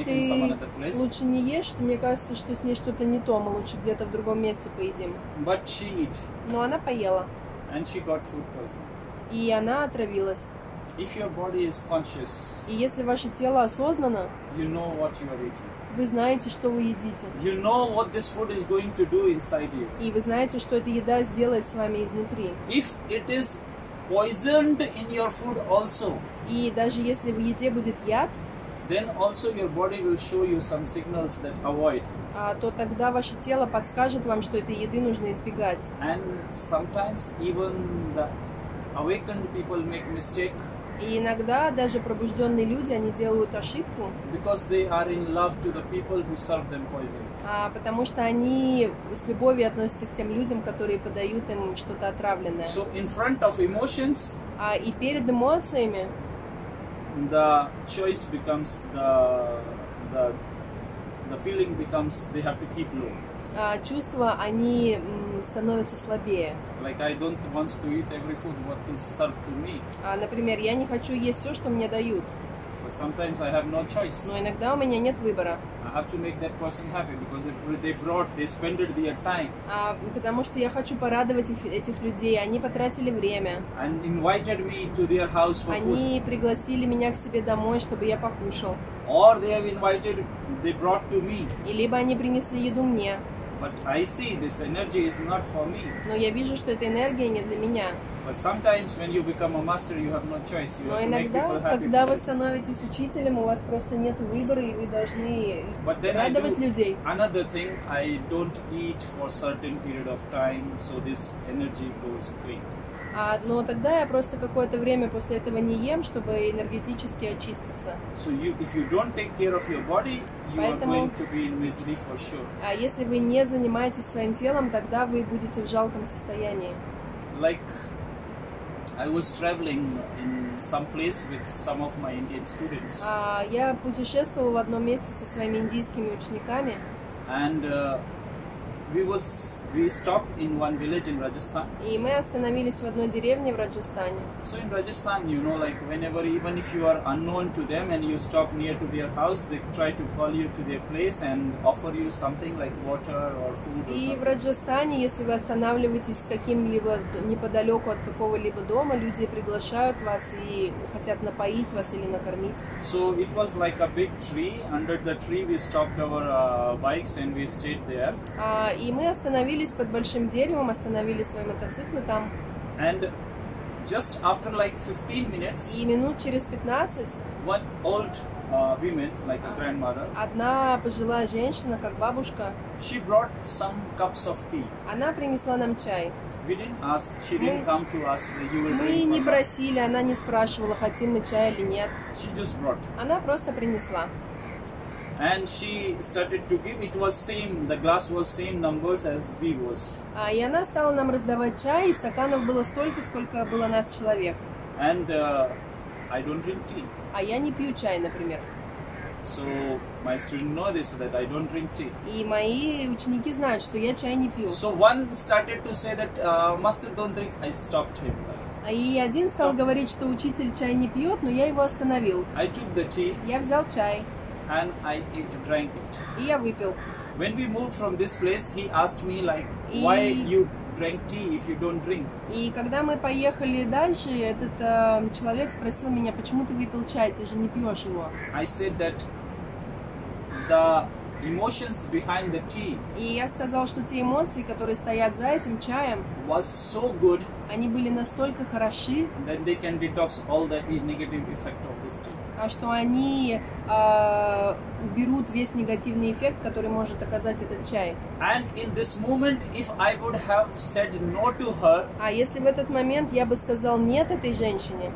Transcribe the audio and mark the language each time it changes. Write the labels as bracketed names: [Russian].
[English] this. We can eat in some other place. [Russian] Лучше не ешь, мне кажется, что с ней что-то не то, мы лучше где-то в другом месте поедим. [English] But she ate. [Russian] Но она поела. [English] And she got food poisoning. [Russian] И она отравилась. [English] If your body is conscious, [Russian] и если ваше тело осознанно, [English] you know what you are eating. [Russian] Вы знаете, что вы едите. [English] You know what this food is going to do inside you. [Russian] И вы знаете, что эта еда сделает с вами изнутри. [English] If it is poisoned in your food also, [Russian] и даже если в еде будет яд, [English] then also your body will show you some signals that avoid. [Russian] То тогда ваше тело подскажет вам, что этой еды нужно избегать. [English] And sometimes even the awakened people make mistake. [Russian] И иногда даже пробужденные люди они делают ошибку. [English] Because they are in love to the people who serve them poison. [Russian] Потому что они с любовью относятся к тем людям, которые подают им что-то отравленное. [English] So in front of emotions. [Russian] И перед эмоциями. [English] The choice becomes the feeling becomes they have to keep low. [Russian] Чувства они становятся слабее. [English] Like I don't want to eat every food what is served to me. [Russian] Например, я не хочу есть все, что мне дают. [English] But sometimes I have no choice. [Russian] Но иногда у меня нет выбора. [English] I have to make that person happy because they brought, they spent their time. [Russian] Потому что я хочу порадовать этих людей, они потратили время. [English] And invited me to their house for [Russian] они [English] food. [Russian] Они пригласили меня к себе домой, чтобы я покушал. [English] Or they have invited, they brought to me. [Russian] И либо они принесли еду мне. [English] But I see this energy is not for me. [Russian] Но я вижу, что эта энергия не для меня. [English] But sometimes when you become a master, you have no choice. You [Russian] Но [English] have [Russian] иногда, [English] to make people happy. [Russian] Но иногда, когда вы становитесь учителем, у вас просто нет выбора, и вы должны [English] But then [Russian] радовать [English] I do [Russian] людей. [English] Another thing, I don't eat for certain period of time, so this energy goes clean. [Russian] Но тогда я просто какое-то время после этого не ем, чтобы энергетически очиститься. [English] So you, if you don't take care of your body, you are going to be in misery for sure. [Russian] А если вы не занимаетесь своим телом, тогда вы будете в жалком состоянии. [English] Like I was traveling in some place with some of my Indian students. [Russian] А я путешествовал в одном месте со своими индийскими учениками. [English] And we stopped in one village in Rajasthan. [Russian] И мы остановились в одной деревне в Раджастане. [English] So in Rajasthan, you know, like whenever, even if you are unknown to them and you stop near to their house, they try to call you to their place and offer you something like water or food. [Russian] И в Раджастане, если вы останавливаетесь с каким-либо неподалеку от какого-либо дома, люди приглашают вас и хотят напоить вас или накормить. [English] So it was like a big tree. Under the tree, we stopped our bikes and we stayed there. [Russian] И мы остановились под большим деревом, остановили свои мотоциклы там. [English] And just after like 15 minutes, [Russian] и минут через 15, [English] one old woman, like a grandmother, [Russian] одна пожилая женщина, как бабушка, [English] she brought some cups of tea. [Russian] Она принесла нам чай. [English] We didn't ask, she didn't come to ask that you will drink. [Russian] Мы не просили, она не спрашивала, хотим мы чай или нет. [English] She just brought. [Russian] Она просто принесла. [English] And she started to give. It was same. The glass was same numbers as we was. [Russian] А и она стала нам раздавать чай. И стаканов было столько, сколько было нас человек. [English] And I don't drink tea. [Russian] А я не пью чай, например. [English] So my students know this, that I don't drink tea. [Russian] И мои ученики знают, что я чай не пью. [English] So one started to say that master don't drink. I stopped him. [Russian] И один стал говорить, что учитель чай не пьет, но я его остановил. [English] I took the tea. [Russian] Я взял чай. [English] And I drank it. [Russian] И я выпил. [English] When we moved from this place, he asked me like, why you drank tea if you don't drink? [Russian] И когда мы поехали дальше, этот человек спросил меня, почему ты выпил чай, ты же не пьешь его. [English] I said that the emotions behind the tea. [Russian] И я сказал, что те эмоции, которые стоят за этим чаем, [English] was so good. [Russian] Они были настолько хороши. [English] That they can detox all the negative effect of this tea. [Russian] А что они уберут весь негативный эффект, который может оказать этот чай. [English] And in this moment, if I would have said no to her, [Russian] а если в этот момент я бы сказал нет этой женщине,